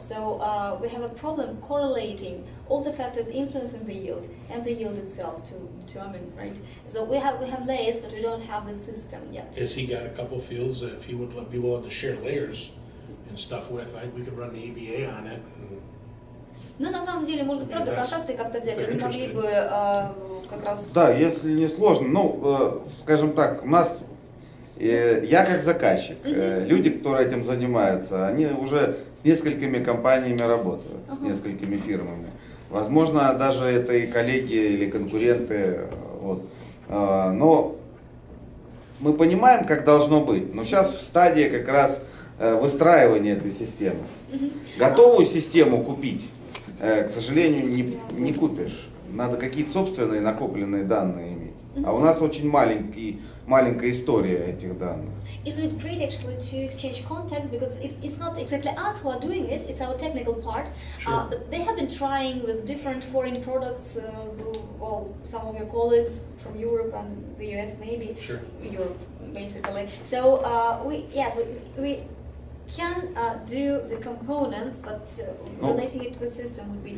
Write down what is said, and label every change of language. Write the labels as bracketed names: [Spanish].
[English] So we have a problem correlating all the factors influencing the yield and the yield itself to determine, right? So we have layers, but we don't have the system yet. Has he got a couple fields that if he would be willing to share layers and stuff with, we could run the EBA on it? [Russian] Ну, на самом деле, может, правда, контакты как-то взять, они могли бы как раз. Да, если не сложно, ну, скажем так, у нас. Я как заказчик, люди, которые этим занимаются, они уже с несколькими компаниями работают, с несколькими фирмами. Возможно, даже это и коллеги или конкуренты. Вот. Но мы понимаем, как должно быть, но сейчас в стадии как раз выстраивания этой системы. Готовую систему купить, к сожалению, не купишь. Надо какие-то собственные накопленные данные иметь. А у нас очень маленькая история этих данных. [English] It would be great actually to exchange contacts because it's not exactly us who are doing it, it's our technical part. Sure. But they have been trying with different foreign products, well, some of your colleagues from Europe and the US maybe. Sure. Europe, basically. So we can do the components, but relating it to the system would be